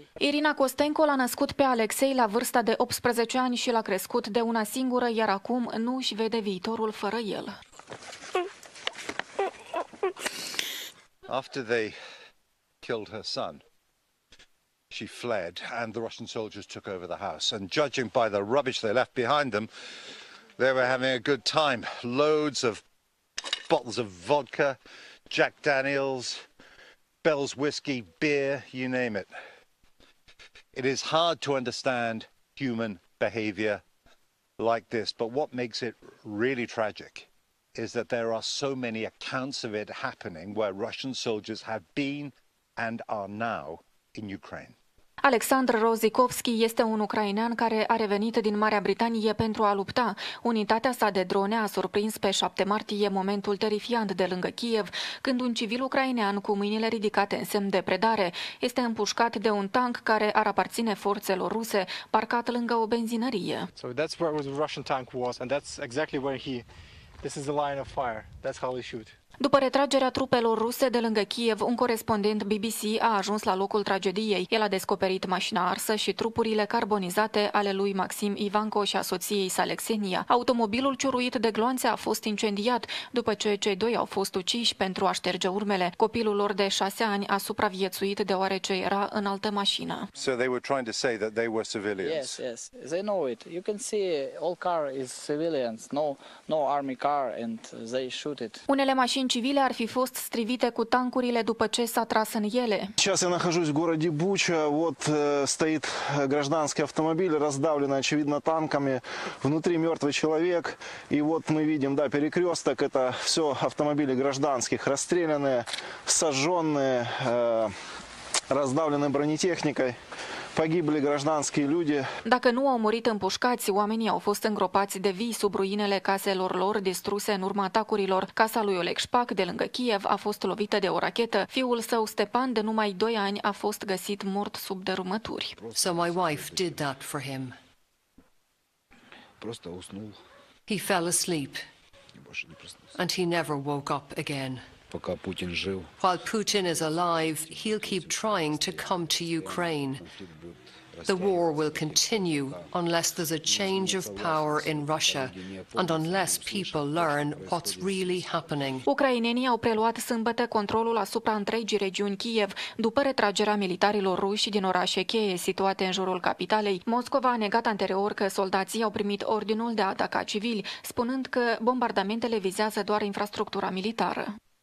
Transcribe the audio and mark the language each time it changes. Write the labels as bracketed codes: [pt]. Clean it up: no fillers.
[ro] Irina Kostenko l-a născut pe Alexei la vârsta de 18 ani și l-a crescut de una singură, iar acum nu își vede viitorul fără el. [en] After they killed her son, she fled and the Russian soldiers took over the house. And judging by the rubbish they left behind them, they were having a good time. Loads of bottles of vodka, Jack Daniels, Bell's whiskey, beer, you name it. It is hard to understand human behavior like this, but what makes it really tragic is that there are so many accounts of it happening where Russian soldiers have been and are now in Ukraine. [ro] Alexandr Rozikovski este un ucrainean care a revenit din Marea Britanie pentru a lupta. Unitatea sa de drone a surprins pe 7 martie momentul terifiant de lângă Kiev, când un civil ucrainean cu mâinile ridicate în semn de predare este împușcat de un tank care ar aparține forțelor ruse, parcat lângă o benzinărie. [en] So that's where the Russian tank was and that's exactly where he this is the line of fire. That's how he shoot. [ro] După retragerea trupelor ruse de lângă Kiev, un corespondent BBC a ajuns la locul tragediei. El a descoperit mașina arsă și trupurile carbonizate ale lui Maxim Ivanko și a soției sale Xenia. Automobilul ciuruit de gloanțe a fost incendiat după ce cei doi au fost uciși pentru a șterge urmele. Copilul lor de 6 ani a supraviețuit deoarece era în altă mașină. [en] So they were trying to say that they were civilians. Yes, yes. They know it. You can see all car is civilians. No army car and they shoot it. [ro] Unele mașini și civile ar fi fost strivite cu tancurile după ce s-a tras în ele. [ru] Сейчас я нахожусь в городе Буча. Вот стоит гражданский автомобиль, раздавленный, очевидно, танками. Внутри мертвый человек. И вот мы видим, да, перекресток. Это все автомобили гражданских, расстрелянные, сожженные, раздавленные бронетехникой. Погибли гражданские люди. [ro] Dacă nu au murit împușcați, oamenii au fost îngropați de vii sub ruinele caselor lor distruse în urma atacurilor. Casa lui Oleg Șpac, de lângă Kiev, a fost lovită de o rachetă. Fiul său, Stepan, de numai 2 ani, a fost găsit mort sub dărâmături. [en] So my wife did that for him. [ru] Просто уснул. [en] He fell asleep. And he never woke up again. [ru] Пока Путин жив. [en] While Putin is alive, he'll keep trying to come to Ukraine. The war will continue unless there's a change of power in Russia and unless people learn what's really happening. [ro] Ucrainenii au preluat sâmbătă controlul asupra întregii regiuni Kiev după retragerea militarilor ruși din orașe cheie situate în jurul capitalei. Moscova a negat anterior că soldații au primit ordinul de a ataca civili, spunând că bombardamentele vizează doar infrastructura militară.